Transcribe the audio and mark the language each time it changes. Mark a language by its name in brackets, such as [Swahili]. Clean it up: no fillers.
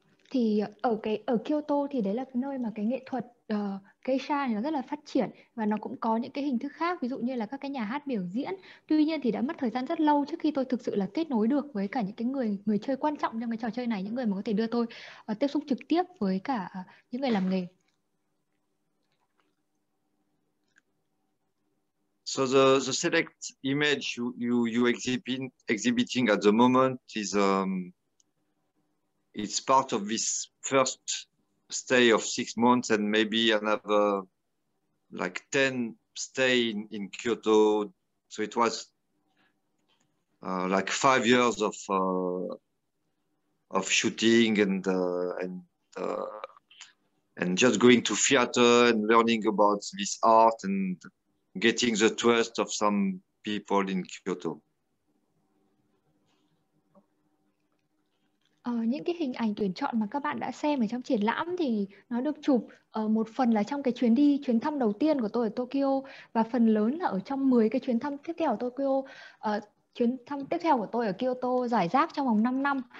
[Vietnamese] Thì ở Kyoto thì đấy là cái nơi mà cái nghệ thuật geisha nó rất là phát triển, và nó cũng có những cái hình thức khác, ví dụ như là các cái nhà hát biểu diễn. Tuy nhiên thì đã mất thời gian rất lâu trước khi tôi thực sự là kết nối được với cả những cái người chơi quan trọng trong cái trò chơi này, những người mà có thể đưa tôi tiếp xúc trực tiếp với cả những người làm nghề. [English] So the select image you exhibiting at the moment is it's part of this first stay of 6 months, and maybe another like 10 stay in Kyoto. So it was like 5 years of shooting and just going to theater and learning about this art and getting the trust of some people in Kyoto. [Vietnamese] Những cái hình ảnh tuyển chọn mà các bạn đã xem ở trong triển lãm thì nó được chụp một phần là trong cái chuyến thăm đầu tiên của tôi ở Tokyo, và phần lớn là ở trong 10 cái chuyến thăm tiếp theo ở Tokyo, chuyến thăm tiếp theo của tôi ở Kyoto rải rác trong vòng 5 năm.